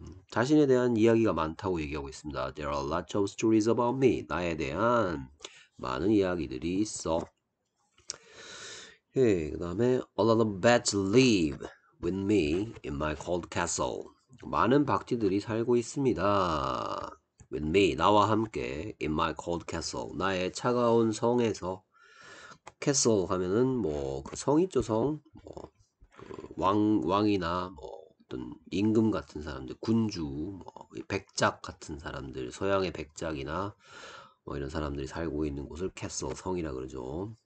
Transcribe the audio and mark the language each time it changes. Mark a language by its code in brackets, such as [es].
[ko] 자신에 대한 이야기가 많다고 얘기하고 있습니다. [en] There are lots of stories about me. [ko] 나에 대한 많은 이야기들이 있어. 예, 그다음에 [en] All of the bats live with me in my cold castle. [ko] 많은 박쥐들이 살고 있습니다. [en] With me, [ko] 나와 함께 [en] in my cold castle. [ko] 나의 차가운 성에서. 캐슬 하면은 뭐그성 있죠 성뭐그 왕이나 뭐 어떤 임금 같은 사람들 군주 뭐 백작 같은 사람들 서양의 백작이나 뭐 이런 사람들이 살고 있는 곳을 캐슬 성이라 그러죠.